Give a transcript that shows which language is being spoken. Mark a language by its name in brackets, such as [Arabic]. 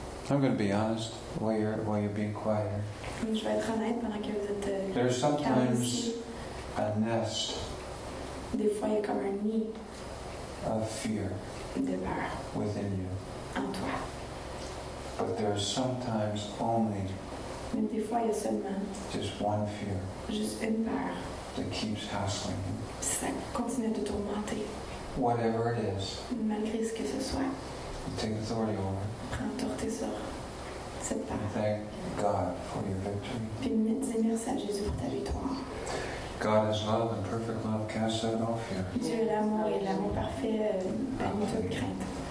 [English] I'm going to be honest while you're being quiet. [French] Je vais être honnête pendant que vous êtes calme. [English] There's sometimes a nest. [French] Des fois, il y a comme un nid. [English] Of fear [French] de peur [English] within you. [French] En toi. [English] But but there is sometimes only [French] mais des fois, il y a seulement [English] just one fear [French] juste une peur [English] that keeps hassling him. [French] Ça continue de tourmenter. [English] Whatever it is, [French] malgré ce que ce soit, [English] you take authority over [French] prends autorité sur cette peur. [English] And thank God for your victory. [French] Puis merci à Jésus pour ta victoire. [English] God is love, and perfect love casts out all fear. [French] Dieu est l'amour et l'amour parfait bannit toute crainte.